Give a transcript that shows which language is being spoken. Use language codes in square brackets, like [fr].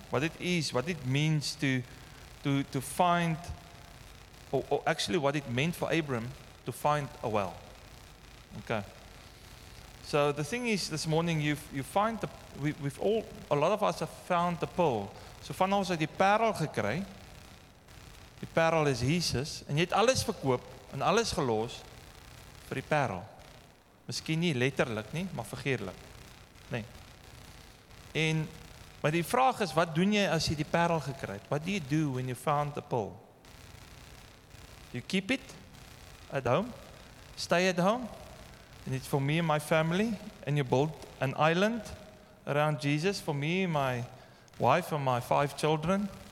[en] What it is, what it means to find or actually what it meant for Abraham to find a well. Okay. So the thing is this morning a lot of us have found the pearl. [af] So van ons het die parel gekry. Die parel is Jesus en jy het alles verkoop en alles gelos vir die parel. Miskien nie letterlik nie, maar figuurlik. Nee. En maar die vraag is wat doen jy as jy die parel gekry het? [en] What do you do when you found the pearl? You keep it at home? Stay at home? And it's for me and my family and you build an island around Jesus for me and my wife and my 5 children?